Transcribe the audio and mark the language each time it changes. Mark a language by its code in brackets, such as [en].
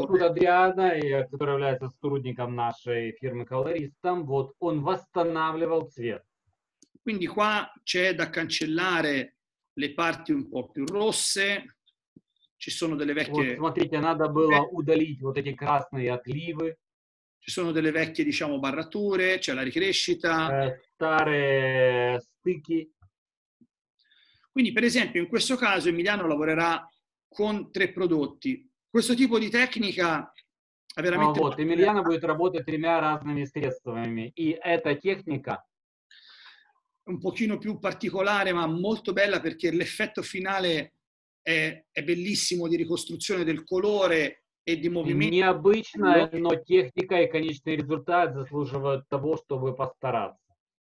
[ru] Вот тут Адриана, которая сотрудником нашей фирмы колористом, вот он восстанавливал цвет. [it] Quindi qua c'è da cancellare le parti un po' più rosse. Ci sono delle [ru] вещи. Вот смотрите, надо было удалить вот эти красные отливы. [it] Ci sono delle vecchie, diciamo, barrature, c'è la ricrescita. [ru] Старые стыки. [it] Quindi, per esempio, in questo caso Emiliano lavorerà con tre prodotti. Questo tipo di tecnica è veramente. [ru] Вот, Emiliano будет работать тремя разными средствами. И эта техника [it] un pochino più particolare, ma molto bella perché l'effetto finale è bellissimo di ricostruzione del colore e di movimento. [ru] Необычно, но техника и конечный результат заслуживают того, чтобы постараться.